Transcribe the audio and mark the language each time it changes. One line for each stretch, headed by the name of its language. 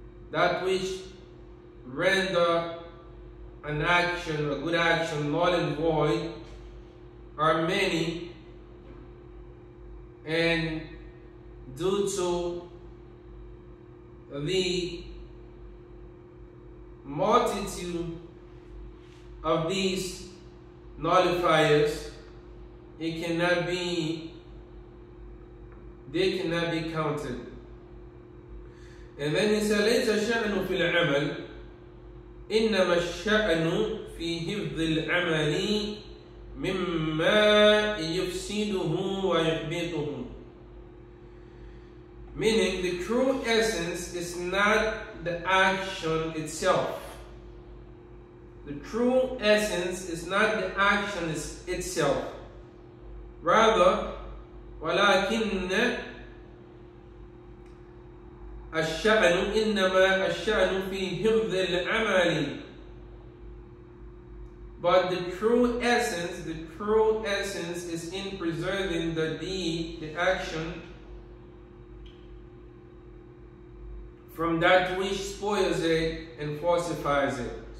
English: That which render an action, a good action, null and void, are many, and due to the multitude of these nullifiers, they cannot be counted. And then he said,
Arabic: لَيْسَ شَأْنُ فِي الْعَمَلِ إِنَّمَا الشَّأْنُ فِي هِفْضِ الْعَمَلِ مِمَّا يُفْسِدُهُ وَيُحْبِطُهُ.
English: Meaning, the true essence is not the action itself. The true essence is not the action itself. Rather,
Arabic: وَلَكِنَّ الشأن إنما الشأن في حفظ العمل.
English: But the true essence is in preserving the deed, the action, from that which spoils it and falsifies it.